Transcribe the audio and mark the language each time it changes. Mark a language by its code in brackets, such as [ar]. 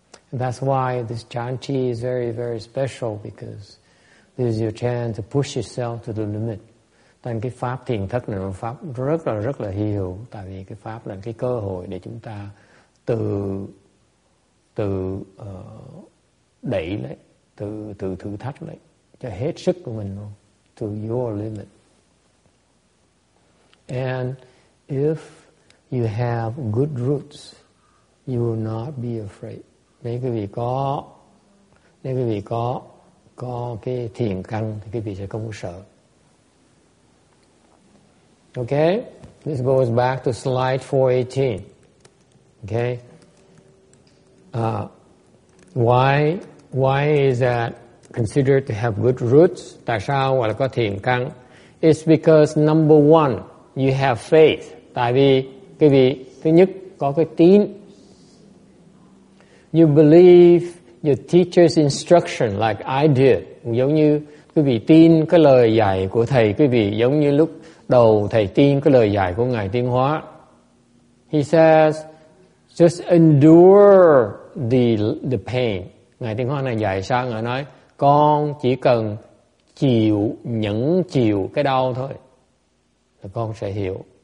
[en] And that's why this chan chi is very, very special, because this is your chance to push yourself to the limit. [vi] Tại cái pháp thiền thất này là pháp rất là hi hữu, tại vì cái pháp là cái cơ hội để chúng ta tự thử thách lại cho hết sức của mình luôn, [en] to your limit. And if you have good roots, you will not be afraid. [vi] Nếu quý vị có cái thiền căn thì quý vị sẽ không sợ. [en] Okay, this goes back to slide 418. Okay, why is that considered to have good roots? [vi] Tại sao gọi là có thiền căn? [en] It's because number one, you have faith. [vi] Tại vì quý vị thứ nhất có cái tín. [en] You believe your teacher's instruction, like I did. [vi] Giống như quý vị tin cái lời dạy của thầy quý vị, giống như lúc đầu thầy tin cái lời dạy của Ngài Tiên Hóa. [en] He says, just endure the pain. [vi] Ngài Tiên Hóa này dạy sao? Ngài nói, con chỉ cần nhẫn chịu cái đau thôi, là con sẽ hiểu.